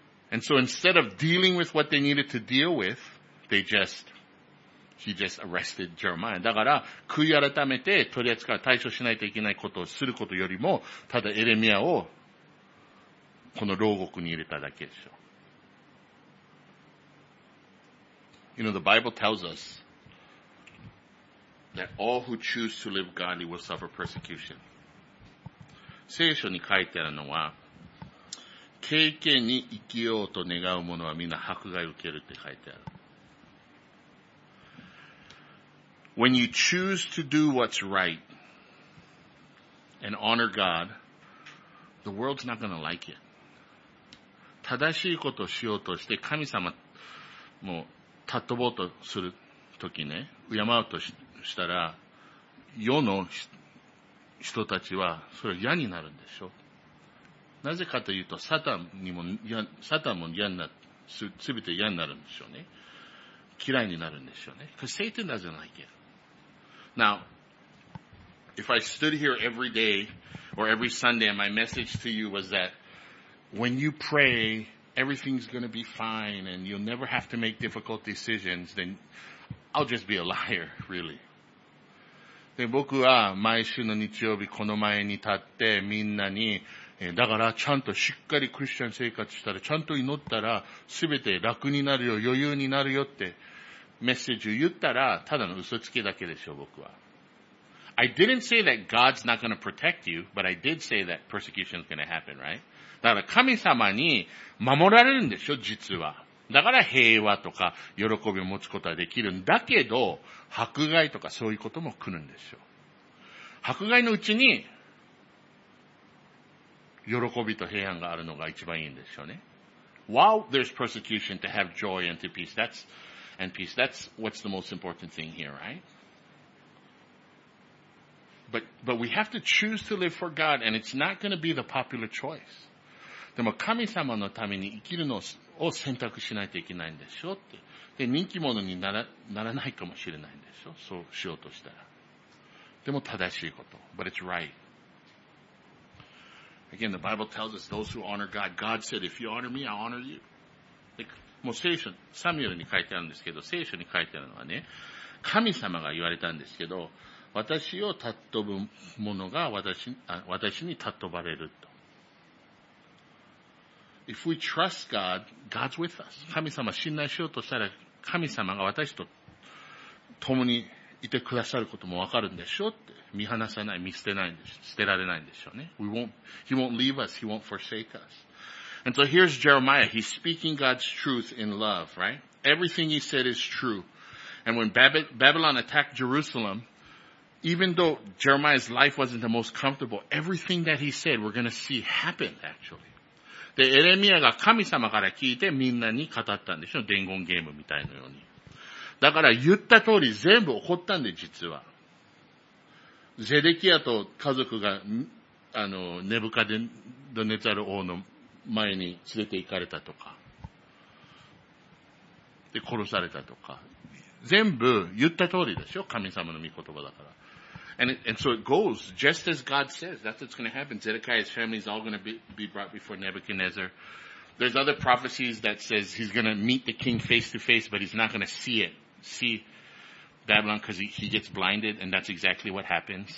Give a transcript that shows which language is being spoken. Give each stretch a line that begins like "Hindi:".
English: And so instead of dealing with what they needed to deal with, he just arrested Jeremiah.
Japanese: だから、悔い改めて取り扱い、対処しないといけないことをすることよりも、ただエレミアをこの牢獄に入れただけでしょう。
English: You know, the Bible tells us that all who choose to live godly will suffer persecution.
Japanese: 聖書に書いてあるのは、敬虔に生きようと願う者はみんな迫害を受けるって書いてある。
English: When you choose to do what's right and honor God, the world's not going to like it.
Japanese: 正しいことをしようとして神様も尊ぼうとするときね、敬うとしたら、世の人たちはそれ嫌になるんでしょ。なぜかというと、サタンも嫌になる、すべて嫌になるんでしょうね。嫌いになるんでしょうね。
English: Because Satan doesn't like it. Now, if I stood here every day or every Sunday and my message to you was that when you pray,everything's gonna be fine and you'll never have to make difficult decisions, then I'll just be a liar, really.
Japanese: で、僕は毎週の日曜日この前に立ってみんなに、だからちゃんとしっかりクリスチャン生活したら、ちゃんと祈ったら、すべて楽になるよ、余裕になるよってメッセージを言ったら、ただの嘘つきだけでしょ、僕は。
English: I didn't say that God's not gonna protect you, but I did say that persecution's gonna happen, right?
Japanese: だから神様に守られるんでしょ、実は。だから平和とか喜びを持つことはできるんだけど、迫害とかそういうことも来るんでしょ。迫害のうちに、喜びと平安があるのが一番いいんでしょうね。
English: While there's persecution to have joy and to peace, that's what's the most important thing here, right? But we have to choose to live for God, and it's not going to be the popular choice.
Japanese: でも神様のために生きるのを選択しないといけないんでしょって。で、人気者にならないかもしれないんでしょ、そうしようとしたら。でも正しいこと。
English: But it's right. Again, the Bible tells us those who honor God, God said, if you honor me, I'll honor you.
Japanese: もう聖書、サミュエルに書いてあるんですけど、聖書に書いてあるのはね、神様が言われたんですけど、私を尊ぶ者が私に尊ばれると。
English: If we trust God, God's with us.
Japanese: 神様を信頼しようとしたら、神様が私と共にいてくださることもわかるんでしょうって。見放さない、見捨てないんでしょ、捨てられないんでしょうね。
English: He won't leave us, he won't forsake us. And so here's Jeremiah, he's speaking God's truth in love, right? Everything he said is true. And when Babylon attacked Jerusalem, even though Jeremiah's life wasn't the most comfortable, everything that he said we're going to see happened, actually.
Japanese: で、エレミアが神様から聞いてみんなに語ったんでしょ、伝言ゲームみたいのように。だから言った通り全部起こったんで、実は。ゼデキヤと家族が、ネブカデネザル王の前に連れて行かれたとか、で、殺されたとか、全部言った通りでしょ、神様の御言葉だから。
English: And so it goes, just as God says. That's what's going to happen. Zedekiah's family is all going to be brought before Nebuchadnezzar. There's other prophecies that says he's going to meet the king face to face, but he's not going to see Babylon because he gets blinded, and that's exactly what happens.